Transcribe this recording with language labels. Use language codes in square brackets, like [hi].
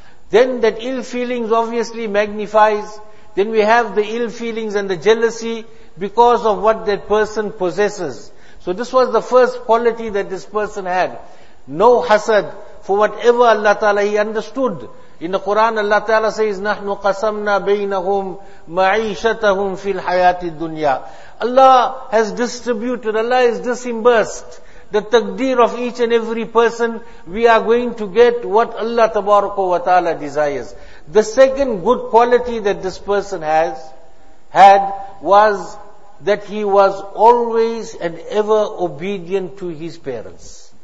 [en] Then that ill feelings obviously magnifies. Then we have the ill feelings and the jealousy because of what that person possesses. So this was the first quality that this person had. No hasad for whatever Allah Ta'ala, he understood. In the Quran, Allah Ta'ala says, [ar] نَحْنُ قَسَمْنَا بَيْنَهُمْ مَعِيشَتَهُمْ فِي الْحَيَاةِ الدُّنْيَا. [en] Allah has distributed, Allah has disimbursed the taqdeer of each and every person. We are going to get what Allah Tabaraka wa Ta'ala desires. The second good quality that this person had was that he was always and ever obedient to his parents.